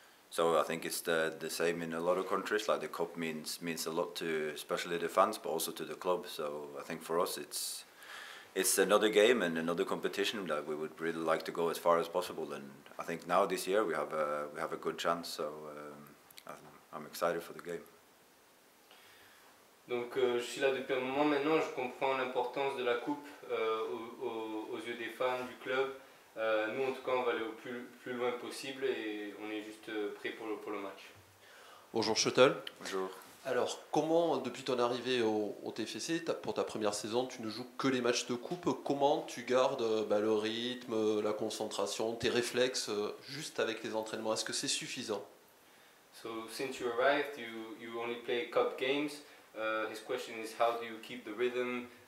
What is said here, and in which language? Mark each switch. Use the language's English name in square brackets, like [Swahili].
[English] So I think it's the same in a lot of countries. Like the Cup means a lot to especially the fans, but also to the club. So I think for us, it's another game and another competition that we would really like to go as far as possible. And I think now this year we have a good chance. So I'm excited for the game. [French] Donc je suis là depuis un moment maintenant, je comprends l'importance de la coupe aux yeux des fans, du club. Nous en tout cas on va aller au plus loin possible et on est juste prêt pour le match. Bonjour Kjetil. Bonjour. Alors comment depuis ton arrivée au TéFéCé, pour ta première saison, tu ne joues que les matchs de coupe, comment tu gardes le rythme, la concentration, tes réflexes juste avec les entraînements, est-ce que c'est suffisant? [English] So since you arrived, you only play cup games. His question is, how do you keep the rhythm?